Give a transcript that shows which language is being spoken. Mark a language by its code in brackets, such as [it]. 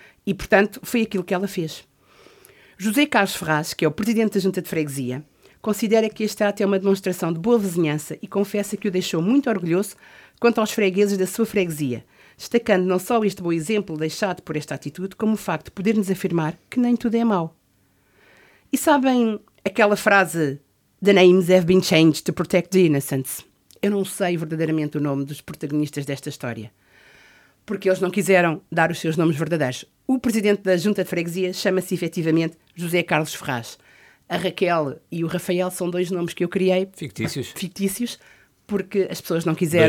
[pt] E, portanto, foi aquilo que ela fez. José Carlos Ferraz, que é o presidente da Junta de Freguesia, considera que este ato é uma demonstração de boa vizinhança e confessa que o deixou muito orgulhoso quanto aos fregueses da sua freguesia, destacando não só este bom exemplo deixado por esta atitude, como o facto de poder-nos afirmar que nem tudo é mau. E sabem aquela frase... [en] The names have been changed to protect the innocents. [pt] Eu não sei verdadeiramente o nome dos protagonistas desta história, porque eles não quiseram dar os seus nomes verdadeiros. O presidente da Junta de Freguesia chama-se efetivamente José Carlos Ferraz. A Raquel e o Rafael são dois nomes que eu criei. Fictícios. Fictícios, porque as pessoas não quiseram...